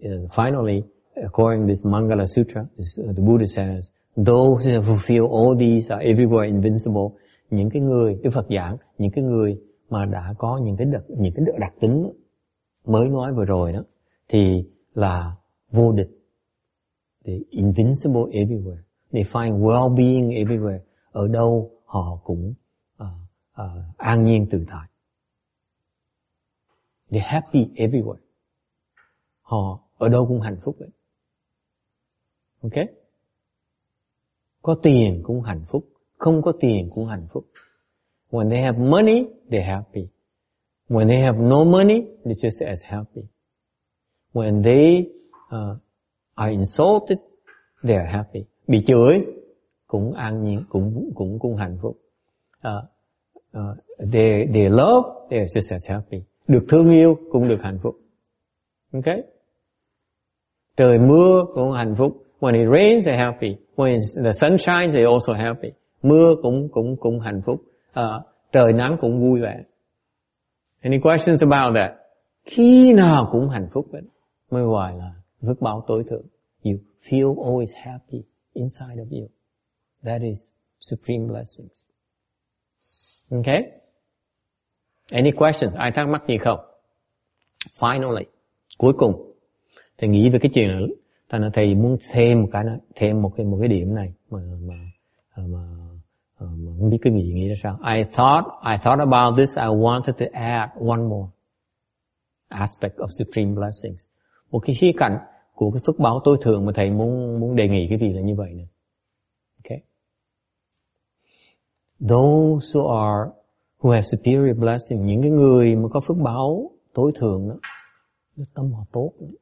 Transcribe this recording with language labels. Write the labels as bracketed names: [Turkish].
[English] Finally, according to this Mangala Sutra, the Buddha says, those who fulfill all these are everywhere invincible. [Vietnamese] Những cái người Đức Phật giảng, những cái người mà đã có những cái đặc tính mới nói vừa rồi đó, thì là vô địch. [English] They're invincible everywhere. They find well-being everywhere. [Vietnamese] Ở đâu họ cũng an nhiên tự tại. [English] They're happy everywhere. [Vietnamese] Họ ở đâu cũng hạnh phúc vậy. Ok? Có tiền cũng hạnh phúc, không có tiền cũng hạnh phúc. [English] When they have money, they're happy. When they have no money, they're just as happy. When they are insulted, they are happy. [Vietnamese] Bị chửi cũng an nhiên, cũng hạnh phúc. [English] They love, they're just as happy. [Vietnamese] Được thương yêu cũng được hạnh phúc. Okay? Trời mưa cũng hạnh phúc. [English] When it rains, they're happy. When the sun shines, they're also happy. [Vietnamese] Mưa cũng hạnh phúc. Trời nắng cũng vui vẻ. [English] Any questions about that? [Vietnamese] Khi nào cũng hạnh phúc vậy. Mới gọi là phước báo tối thượng. [English] You feel always happy inside of you. That is supreme blessings. Okay? Any questions? [Vietnamese] Ai thắc mắc gì không? [English] Finally. [Vietnamese] Cuối cùng. Thầy nghĩ về cái chuyện này. Thầy muốn thêm một cái điểm này mà không biết cái gì nghĩ ra sao. [English] I thought about this, I wanted to add one more aspect of supreme blessings. [Vietnamese] Một cái khía cạnh của cái phước báo tối thượng mà thầy muốn đề nghị cái gì là như vậy nè. Okay. [English] Those who have superior blessings, [Vietnamese] những cái người mà có phước báo tối thượng đó, tâm họ tốt.